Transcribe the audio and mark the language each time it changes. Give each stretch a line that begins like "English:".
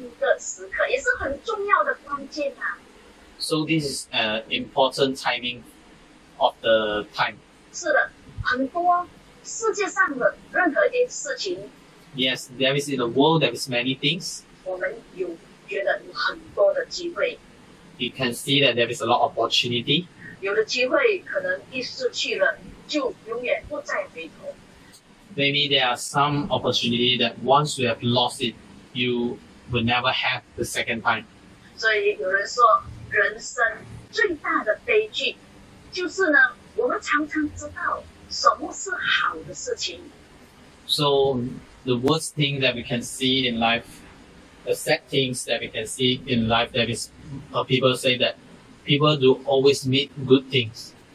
Chinese: 所以这是一个非常关键的时刻，也是很重要的关键啊。
English: So this is an important timing of the time.
Chinese: 是的，很多 世界上的任何一件事情,
English: yes, there is in the world, there is many things.
Chinese: 我们有觉得很多的机会,
English: you can see that there is a lot of opportunity.
Chinese: 有的机会可能一失去了就永远不再回头.
English: Maybe there are some opportunity that once you have lost it, you will never have the second time.
Chinese: 所以有人说人生最大的悲剧就是呢我们常常知道
English: So the worst thing that we can see in life, the sad things that we can see in life, that is, people say that people do always meet good things.